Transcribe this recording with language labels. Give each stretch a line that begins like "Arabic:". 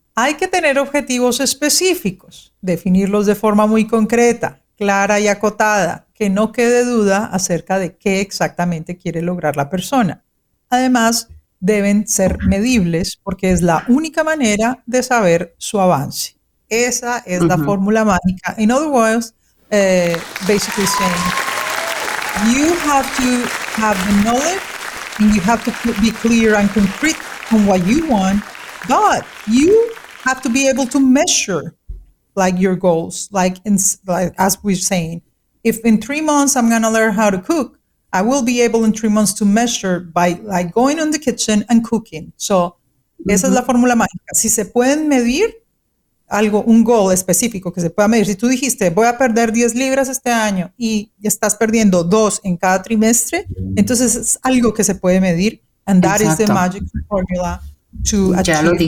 Spanish: Hay que tener objetivos específicos, definirlos de forma muy concreta, clara y acotada, que no quede duda acerca de qué exactamente quiere lograr la persona. Además, deben ser medibles porque es la única manera de saber su avance. Esa es la fórmula mágica.
English: In other words, basically saying, you have to have the knowledge and you have to be clear and concrete on what you want, but you have to be able to measure like your goals, like as we're saying, if in 3 months I'm gonna learn how to cook, I will be able in 3 months to measure by like going in the kitchen and cooking.
Spanish: So esa es la fórmula mágica. Si se pueden medir algo, un goal específico que se pueda medir. Si tú dijiste, voy a perder 10 libras este año y estás perdiendo 2 en cada trimestre, entonces es algo que se puede medir.
English: And that is the magic formula to achieve